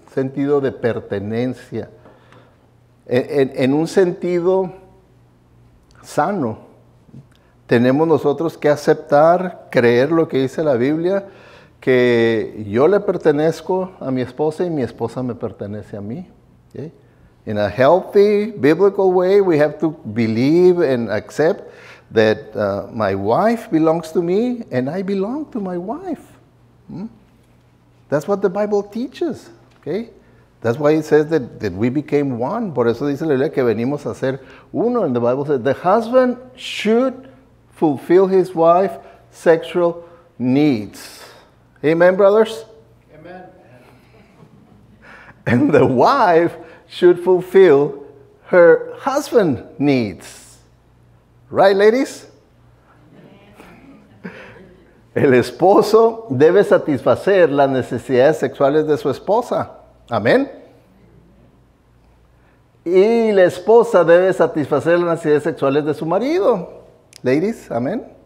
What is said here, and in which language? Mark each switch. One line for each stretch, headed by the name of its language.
Spanish: Sentido de pertenencia. En un sentido sano, tenemos nosotros que aceptar, creer lo que dice la Biblia, que yo le pertenezco a mi esposa y mi esposa me pertenece a mí. ¿Okay?
English: In a healthy, biblical way, we have to believe and accept that my wife belongs to me and I belong to my wife. That's what the Bible teaches. Okay? That's why it says that we became one.
Spanish: Por eso dice la Biblia que venimos a ser uno.
English: And the Bible says the husband should fulfill his wife's sexual needs. Amen, brothers? Amen. And the wife should fulfill her husband's needs. Right, ladies?
Spanish: El esposo debe satisfacer las necesidades sexuales de su esposa. Amén. Y la esposa debe satisfacer las necesidades sexuales de su marido.
English: Ladies, amén.